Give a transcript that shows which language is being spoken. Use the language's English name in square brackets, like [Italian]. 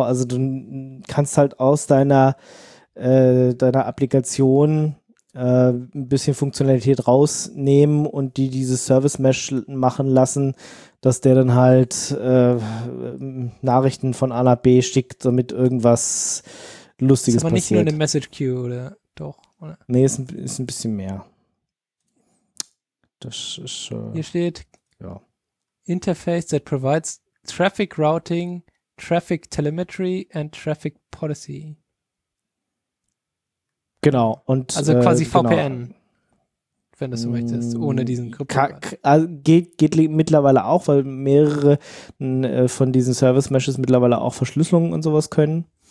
[German] Also du kannst halt aus deiner Applikation ein bisschen Funktionalität rausnehmen und die dieses Service Mesh machen lassen, dass der dann halt Nachrichten von A nach B schickt, damit irgendwas Lustiges passiert. Ist aber nicht nur eine Message Queue, oder? Doch, oder? Nee, ist ein bisschen mehr. Das ist schon. Hier steht: ja. [English] Interface that provides Traffic Routing, Traffic Telemetry and Traffic Policy. [German] Genau. Und, also quasi VPN, genau. Wenn du so möchtest, ohne diesen Krypto. Geht mittlerweile auch, weil mehrere von diesen Service Meshes mittlerweile auch Verschlüsselungen und sowas können.